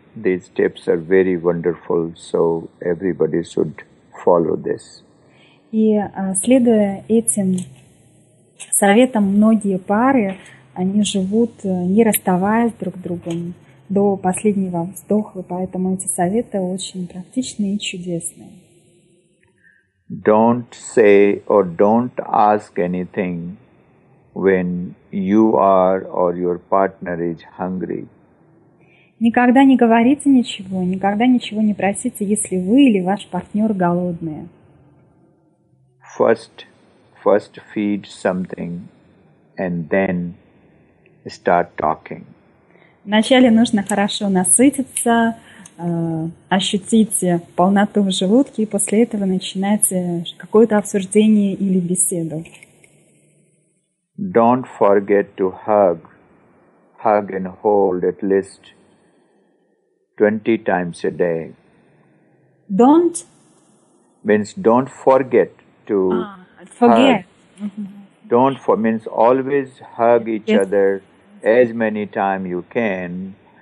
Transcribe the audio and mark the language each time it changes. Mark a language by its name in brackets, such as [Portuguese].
[English] These tips are very wonderful, so everybody should follow this. [Russian] И следуя этим советам, многие пары, они живут, не расставаясь друг с другом до последнего вздоха, поэтому эти советы очень практичные и чудесные. [English] Don't say or don't ask anything when you are or your partner is hungry. [Russian] Никогда не говорите ничего, никогда ничего не просите, если вы или ваш партнер голодные. [English] First feed something and then start talking. [Russian] Вначале нужно хорошо насытиться, ощутить полноту в желудке, и после этого начинайте какое-то обсуждение или беседу. [English] Don't forget to hug. Hug and hold at least 20 times a day. Don't? Means don't forget to forget. Hug. Don't for means always hug each other as many times you can.